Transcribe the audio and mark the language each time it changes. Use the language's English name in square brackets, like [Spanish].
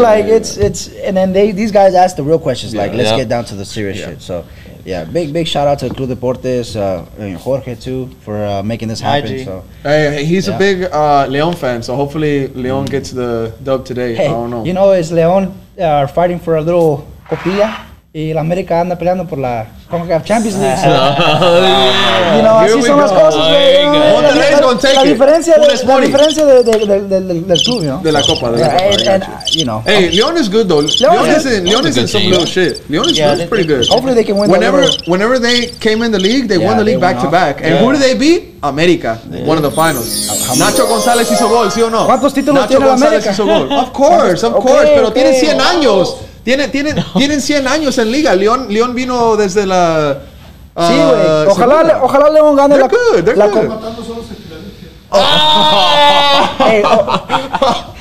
[English] Yeah, like yeah, it's and then these guys ask the real questions. Yeah. Like, let's get down to the serious shit. So, yeah, big shout out to Club Deportes, and Jorge too for making this happen. So, hey, he's a big Leon fan. So hopefully Leon gets the dub today. Hey, I don't know. You know, is Leon are fighting for a little. [Spanish] Copia y la América anda peleando por la CONCACAF Champions League. [English] So, you know, [Spanish] así son las cosas, güey. La diferencia del club, [English] you know? [Spanish] De la Copa. De la Copa. [English] And, you know. Hey, Leon is good, though. Leon is in some little shit. Leon is pretty good. Hopefully they can win. Whenever they came in the league, they won the league back to back. And who did they beat? América, one of the finals. [Spanish] Nacho González hizo gol, ¿sí o no? ¿Cuántos títulos tiene América? Nacho González hizo gol. [English] Of course. [Spanish] Pero tiene 100 años. Tienen 100 años en liga. León vino desde la... güey. Ojalá León gane [English] they're [Spanish] la... [English] They're good.